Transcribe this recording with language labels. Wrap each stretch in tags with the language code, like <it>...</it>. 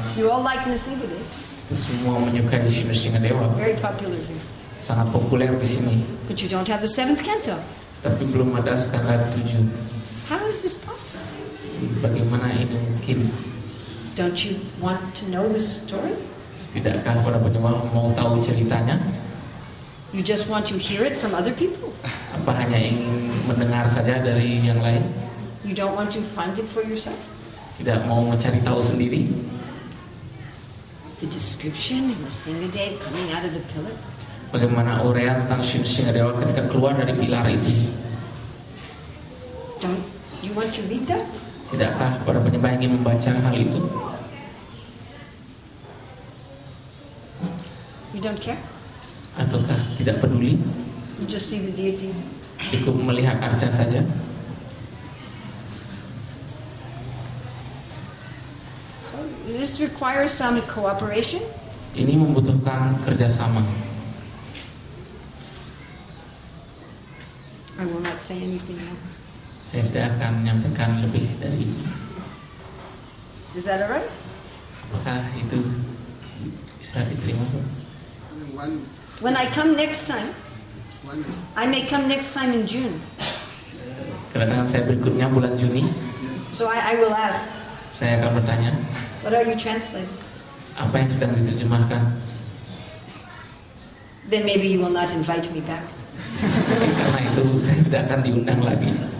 <en>You all like Nrisingadeva.</en> <id>Semua menyukai Nrisingadeva.</id> <en>Very popular here.</en> <id>Sangat populer di sini.</id> <en>But you don't have the seventh canto.</en> <id>Tapi belum ada skanda ketujuh.</id> <en>How is this possible?</en> <id>Bagaimana ini mungkin?</id> <en>Don't you want to know the story?</en> <id>Tidakkah para penyembah mau tahu ceritanya?</id> <en>You just want to hear it from other people.</en> <id>Apa hanya ingin mendengar saja dari yang lain?</id> <en>You don't want to find it for yourself.</en> <id>Tidak mau mencari tahu sendiri?</id> <en>The description of Nrisingadeva coming out of the pillar.</en> <id>Bagaimana uraian tentang Nrisingadeva ketika keluar dari pilar itu?</id> <en>Don't you want to read that?</en> <id>Tidakkah para penyembah ingin membaca hal itu?</id> <en>You don't care?</en> <id>Ataukah tidak peduli?</id> <en>You just see the deity.</en> <id>Cukup melihat arca saja.</id> <en>So this requires some cooperation.</en> <id>Ini membutuhkan kerjasama.</id> <en>I will not say anything more.</en> <id>Saya tidak akan menyampaikan lebih dari ini.</id> <en>Is that all right?</en> <id>Apakah itu bisa diterima?</id> <en>When I come next time, I may come next time in June.</en> <id>Kedatangan saya berikutnya bulan Juni.</id> <en>So I will ask.</en> <id>Saya akan bertanya.</id> <en>What are you translating?</en> <id>Apa yang sedang diterjemahkan?</id> <en>Then maybe you will not invite me back.</en> <id>Karena itu saya tidak akan diundang lagi.</id>